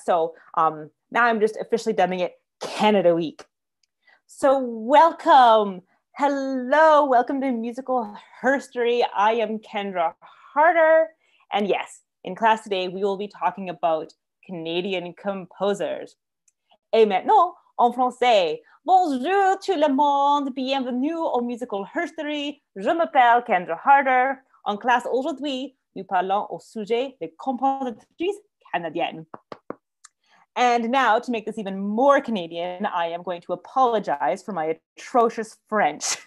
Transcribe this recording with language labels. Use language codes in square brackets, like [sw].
[en] So now I'm just officially dubbing it Canada Week. So welcome. Hello, welcome to Musical Herstory. I am Kendra Harder. And yes, in class today, we will be talking about Canadian composers. [fr] Et maintenant, en français. Bonjour tout le monde, bienvenue au Musical Herstory. Je m'appelle Kendra Harder. En classe aujourd'hui, nous parlons au sujet des compositrices canadiennes. [en] And now, to make this even more Canadian, I am going to apologize for my atrocious French.